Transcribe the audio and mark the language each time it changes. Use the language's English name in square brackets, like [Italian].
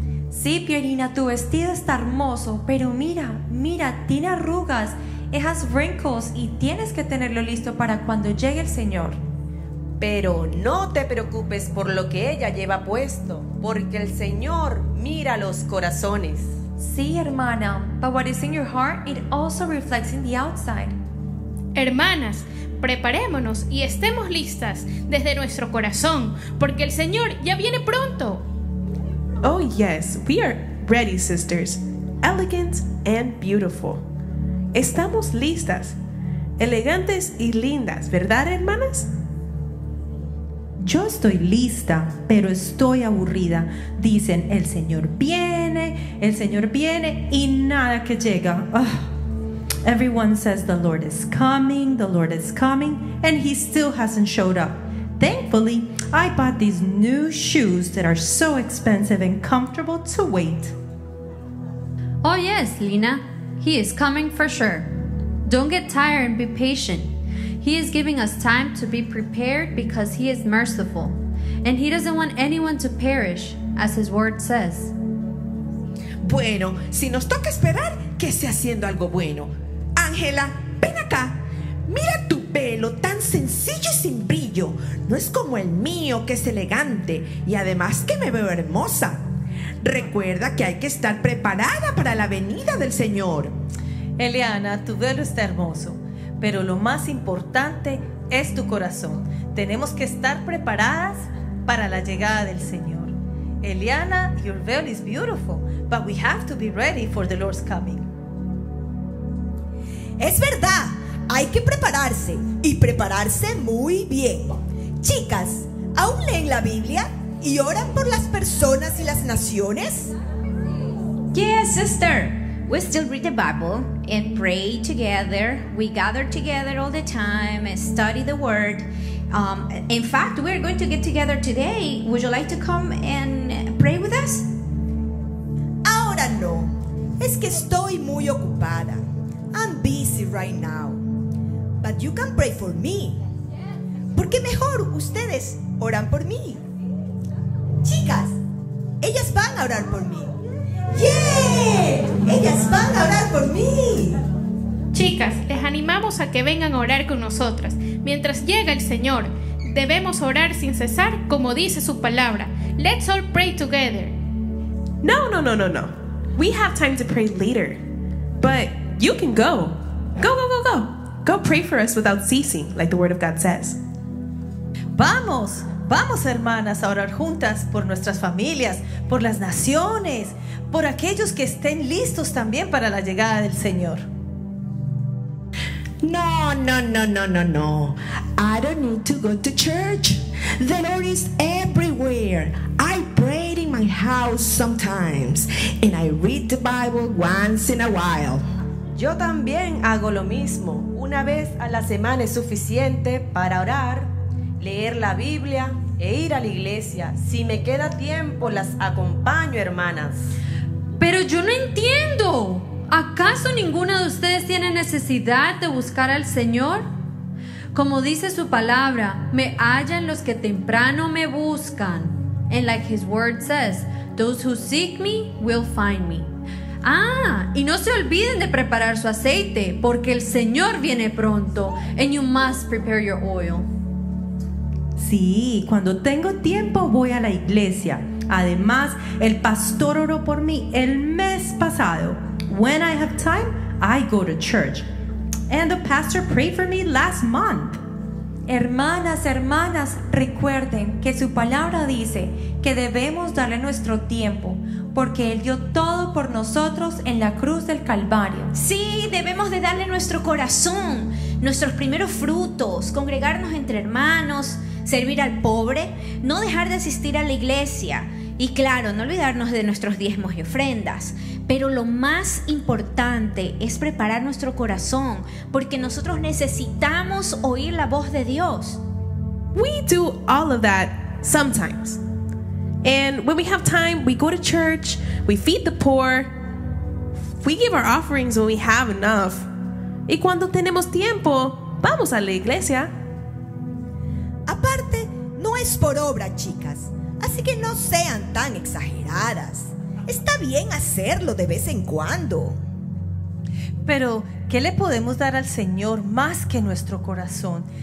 [Spanish] Sí, Pierina, tu vestido está hermoso, pero mira, mira, tiene arrugas, [English] it has wrinkles, [Spanish] y tienes que tenerlo listo para cuando llegue el Señor. Pero no te preocupes por lo que ella lleva puesto, porque el Señor mira los corazones. Sí, hermana, [English] but what is in your heart, it also reflects in the outside. [Spanish] Hermanas, preparémonos y estemos listas desde nuestro corazón, porque el Señor ya viene pronto. [English] Oh yes, we are ready, sisters, elegant and beautiful. [Spanish] Estamos listas, elegantes y lindas, ¿verdad, hermanas? Yo estoy lista, pero estoy aburrida. Dicen, el Señor viene y nada que llega. Ugh. [English] Everyone says the Lord is coming, and he still hasn't showed up. Thankfully, I bought these new shoes that are so expensive and comfortable to wait. Oh yes, Lina, he is coming for sure. Don't get tired and be patient. He is giving us time to be prepared because he is merciful, and he doesn't want anyone to perish, as his word says. [Spanish] Bueno, si nos toca esperar, que esté haciendo algo bueno. Ángela, ven acá. Mira tu pelo tan sencillo y sin brillo. No es como el mío, que es elegante y además que me veo hermosa. Recuerda que hay que estar preparada para la venida del Señor. Eliana, tu pelo está hermoso, pero lo más importante es tu corazón. Tenemos que estar preparadas para la llegada del Señor. [English] Eliana, your veil is beautiful, but we have to be ready for the Lord's coming. [Spanish] Es verdad, hay que prepararse y prepararse muy bien. Chicas, ¿aún leen la Biblia y oran por las personas y las naciones? [English] Yes, sister. We still read the Bible and pray together. We gather together all the time and study the word. In fact, we are going to get together today. Would you like to come and pray with us? [Spanish] Ahora no. Es que estoy muy ocupada. [English] I'm busy right now, but you can pray for me. [Spanish] Porque mejor ustedes oran por mí. Chicas, ellas van a orar por mí. [English] ¡Yeah! [Spanish] Ellas van a orar por mí. Chicas, les animamos a que vengan a orar con nosotras. Mientras llega el Señor, debemos orar sin cesar, como dice su palabra. [English] Let's all pray together. No. We have time to pray later, but you can go. Go. Go pray for us without ceasing, like the word of God says. [Spanish] Vamos, vamos, hermanas, a orar juntas por nuestras familias, por las naciones, por aquellos que estén listos también para la llegada del Señor. [English] No. I don't need to go to church. The Lord is everywhere. I pray in my house sometimes, and I read the Bible once in a while. [Spanish] Yo también hago lo mismo. Una vez a la semana es suficiente para orar, leer la Biblia e ir a la iglesia. Si me queda tiempo, las acompaño, hermanas. Pero yo no entiendo. ¿Acaso ninguna de ustedes tiene necesidad de buscar al Señor? Como dice su palabra, me hallan los que temprano me buscan. [English] And like his word says, those who seek me will find me. [Spanish] Ah, y no se olviden de preparar su aceite, porque el Señor viene pronto. [English] And you must prepare your oil. [Spanish] Sí, cuando tengo tiempo voy a la iglesia. Además, el pastor oró por mí el mes pasado. [English] When I have time, I go to church. and the pastor prayed for me last month. [Spanish] Hermanas, hermanas, recuerden que su palabra dice que debemos darle nuestro tiempo, porque Él dio todo por nosotros en la cruz del Calvario. Sí, debemos de darle nuestro corazón, nuestros primeros frutos, congregarnos entre hermanos, servir al pobre, no dejar de asistir a la iglesia. Y claro, no olvidarnos de nuestros diezmos y ofrendas. Pero lo más importante es preparar nuestro corazón, porque nosotros necesitamos oír la voz de Dios. [English] We do all of that sometimes. And when we have time, we go to church, we feed the poor, we give our offerings when we have enough. [Spanish] Y cuando tenemos tiempo, vamos a la iglesia. Aparte, no es por obra, chicas. Así que no sean tan exageradas. Está bien hacerlo de vez en cuando. Pero, ¿qué le podemos dar al Señor más que nuestro corazón?